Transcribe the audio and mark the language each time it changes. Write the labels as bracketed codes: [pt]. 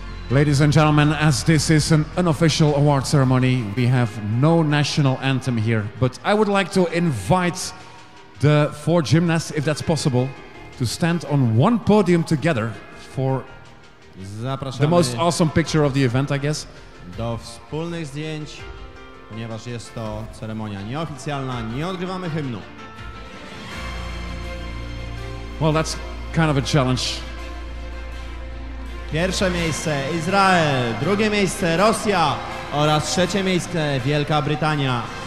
[en] Ladies and gentlemen, as this is an unofficial award ceremony, we have no national anthem here, but I would like to invite the four gymnasts, if that's possible, to stand on one podium together for [pl] Zapraszamy [en] the most awesome picture of the event, I guess. [pl] Do wspólnych zdjęć, ponieważ jest to ceremonia nieoficjalna, nie odgrywamy hymnu. [en] Well, that's kind of a challenge. [pl] Pierwsze miejsce Izrael, drugie miejsce Rosja oraz trzecie miejsce Wielka Brytania.